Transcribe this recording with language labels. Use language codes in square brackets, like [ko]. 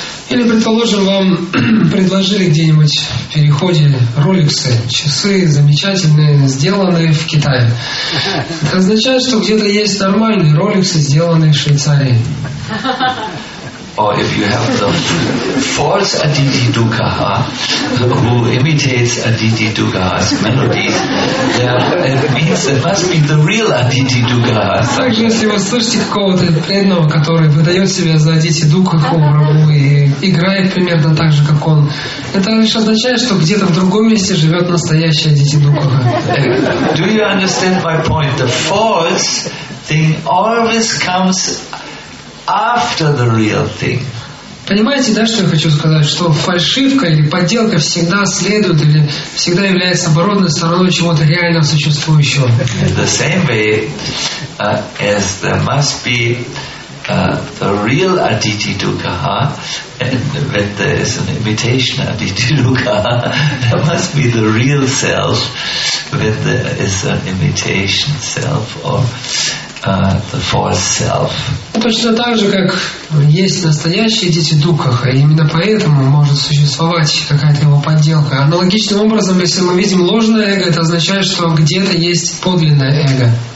[ru] Или, предположим, вам предложили где-нибудь в переходе роликсы, часы замечательные, сделанные в Китае. Это означает, что где-то есть нормальные роликсы, сделанные в Швейцарии. [en] Or if you have the false Aditi Dukaha, who imitates Aditi Dukaha's melodies, it means it must be the real Aditi Dukaha. [ru] Также, если вы слышите какого-то преданного, который выдает себя за Aditi Dukaha и играет примерно так же, как он, это лишь означает, что где-то в другом месте живет настоящий Aditi Dukaha. [en] Do you understand my point? The false thing always comes after the real thing. [ru] Понимаете, да, что я хочу сказать? Что фальшивка или подделка всегда следует или всегда является оборотной стороной чего-то реально существующего. [en] The same way as there must be the real Aditi Dukaha, and when there is an imitation Aditi Dukaha, there must be the real self, when there is an imitation self or the false self. [ru] Точно так же, как есть настоящие дети Дукаха, и именно поэтому может существовать какая-то его подделка. Аналогичным образом, если мы видим ложное эго, это означает, что где-то есть подлинное эго.